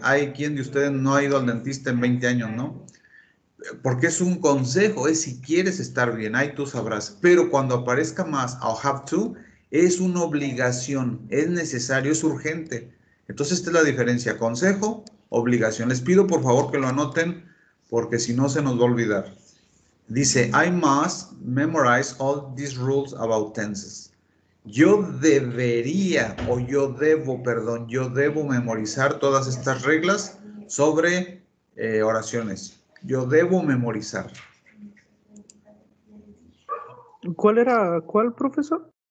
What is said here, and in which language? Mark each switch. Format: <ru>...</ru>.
<es>Hay quien de ustedes no ha ido al dentista en 20 años, ¿no? Porque es un consejo, es si quieres estar bien, ahí tú sabrás. Pero cuando aparezca más,</es> <en>I'll have to,</en> <es>es una obligación, es necesario, es urgente. Entonces esta es la diferencia, consejo, obligación. Les pido por favor que lo anoten, porque si no se nos va a olvidar. Dice,</es> <en>I must memorize all these rules about tenses.</en> <es>Yo debería, o yo debo, perdón, yo debo memorizar todas estas reglas sobre oraciones. Yo debo memorizar. ¿Cuál era? ¿Cuál, profesor?</es>